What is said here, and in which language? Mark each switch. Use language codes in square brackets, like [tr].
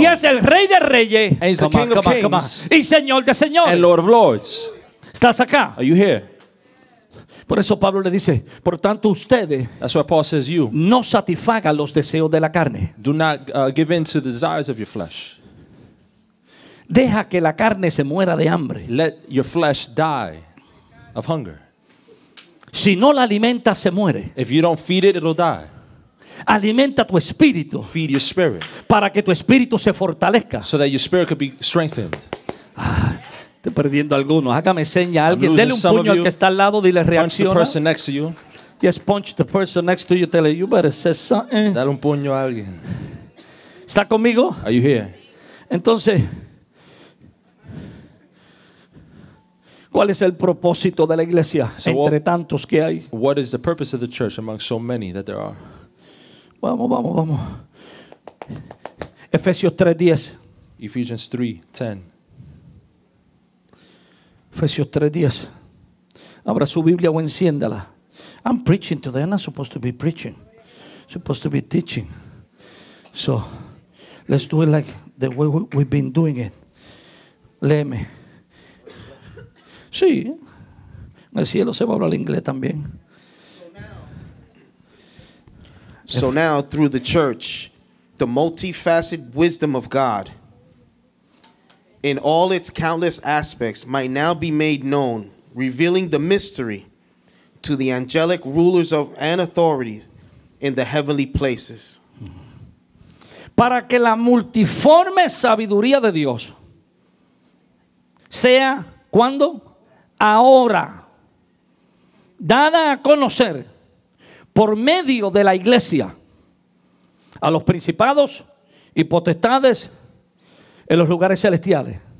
[es] Y es el Rey de Reyes. [en] And he's the King of Kings. [es] Y Señor de Señores. [en] And Lord of Lords. [es] ¿Estás acá? [en] Are you here? [es] Por eso Pablo le dice, por tanto ustedes, [en] that's why Paul says you, [es] no satisfagan los deseos de la carne. [en] Do not give in to the desires of your flesh. [es] Deja que la carne se muera de hambre. [en] Let your flesh die of hunger. [es] Si no la alimenta, se muere. [en] If you don't feed it, it'll die. [es] Alimenta tu espíritu. [en] Feed your spirit. [es] Para que tu espíritu se fortalezca. [en] So that your spirit could be strengthened. [es] Estoy perdiendo algunos. Hágame seña a alguien. Dele un puño al que está al lado. Dile, reacciona. [en] Punch the person next to you. Yes, punch the person next to you. Tell her, you better say something. [es] Dale un puño a alguien. ¿Está conmigo? [en] Are you here? [es] Entonces, ¿cuál es el propósito de la iglesia entre tantos que hay? [en] What is the purpose of the church among so many that there are? [es] Vamos. Efesios 3:10. [en] Ephesians 3:10. [es] Efesios 3:10. Abra su Biblia o enciéndala. [en] I'm preaching today. I'm not supposed to be preaching. I'm supposed to be teaching. So, let's do it like the way we've been doing it. [es] Léeme. Sí, en el cielo se va a hablar inglés también. [en] So now, through the church, the multifaceted wisdom of God, in all its countless aspects, might now be made known, revealing the mystery to the angelic rulers of and authorities in the heavenly places. [es] Para que la multiforme sabiduría de Dios sea cuando ahora, dada a conocer por medio de la iglesia a los principados y potestades en los lugares celestiales.